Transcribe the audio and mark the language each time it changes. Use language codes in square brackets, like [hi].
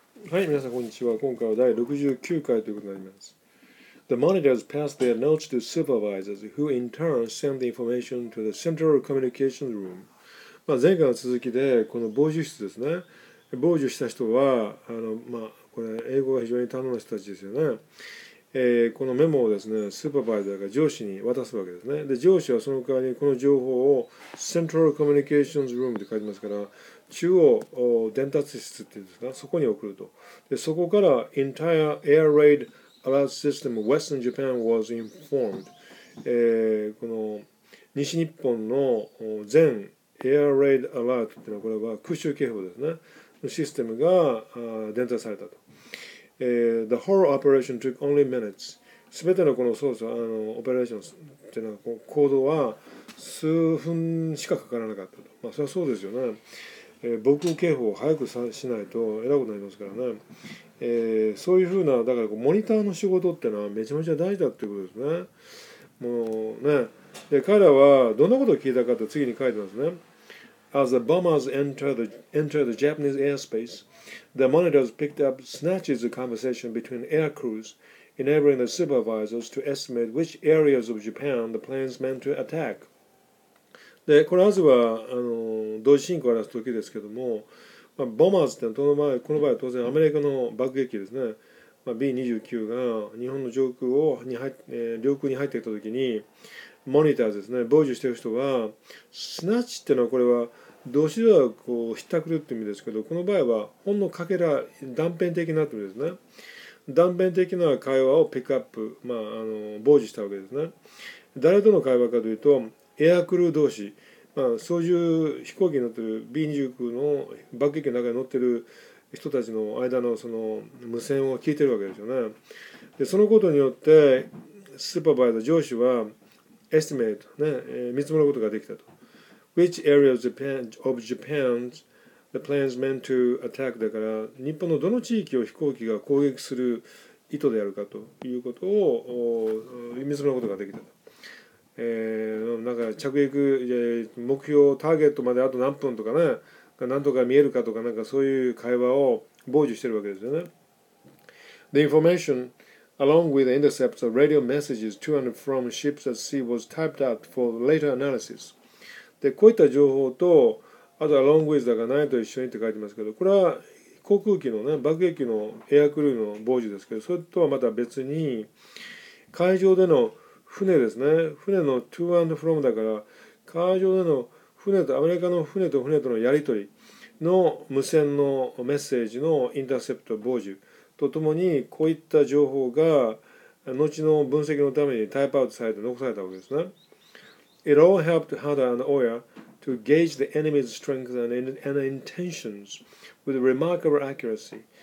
[ja] はい、皆さんこんにちは。今回は第69回ということになります。 [en] The monitors pass their notes to supervisors who in turn send the information to the central communication room. [ja] まあ前回の続きで、この傍受室ですね。傍受した人は、まあ、これ英語が非常に堪能な人たちですよね。このメモをですね、スーパーバイザーが上司に渡すわけですね。で、上司はその代わりにこの情報を Central Communications Room って書いてますから、中央伝達室っていうんですか、そこに送ると。で、そこから [en] Entire Air Raid Alert System Western Japan was informed。 [ja] この西日本の全 Air Raid Alert っていうのは、これは空襲警報ですね、のシステムが伝達されたと。 [en] The whole operation took only minutes. [ja] 全てのこの操作、オペレーションっていうのは、行動は数分しかかからなかったと。まあ、それはそうですよね。防空警報を早くしないと、えらいことになりますからね。そういうふうな、だからモニターの仕事っていうのは、めちゃめちゃ大事だっていうことですね。もうね。で、彼らは、どんなことを聞いたかって次に書いてますね。 [en] As the bombers entered the Japanese airspace, the monitors picked up snatches of conversation between air crews, enabling the supervisors to estimate which areas of Japan the planes meant to attack. [ja] で、これ、まずは、同時進行を表す時ですけども、まあ、bombers ってのは、この場合は当然アメリカの爆撃機ですね。まあ、B-29 が日本の上空を、領空に入ってきた時に、モニターですね、傍受している人は、スナッチっていうのは、これは動詞ではこうひったくるっていう意味ですけど、この場合はほんのかけら、断片的なって意味ですね。断片的な会話をピックアップ、まあ、傍受したわけですね。誰との会話かというと、エアクルー同士、まあ、操縦飛行機に乗ってる B-29 の爆撃機の中に乗ってる人たちの間のその無線を聞いてるわけですよね。で、そのことによって、スーパーバイザー、上司は、estimate、ね、見積もることができたと。 [en] Which area of Japan the planes meant to attack? [ja] だから、日本のどの地域を飛行機が攻撃する意図であるかということを見積もることができたと。なんか着陸、目標、ターゲットまであと何分とかね、何とか見えるかとか、なんかそういう会話を傍受してるわけですよね。 [en] The information along with the intercepts of radio messages to and from ships at sea was typed out for later analysis. [ja] で、こういった情報と、あと along with だから何と一緒にって書いてますけど、これは航空機のね、爆撃機のエアクルーの傍受ですけど、それとはまた別に、海上での船ですね、船の to and from だから、海上での船と、アメリカの船と船とのやり取りの無線のメッセージのインターセプト傍受とともに、こういった情報が後の分析のためにタイプアウトされて残されたわけですね。 [en] It all helped Hada and Oya to gauge the enemy's strength and intentions with remarkable accuracy.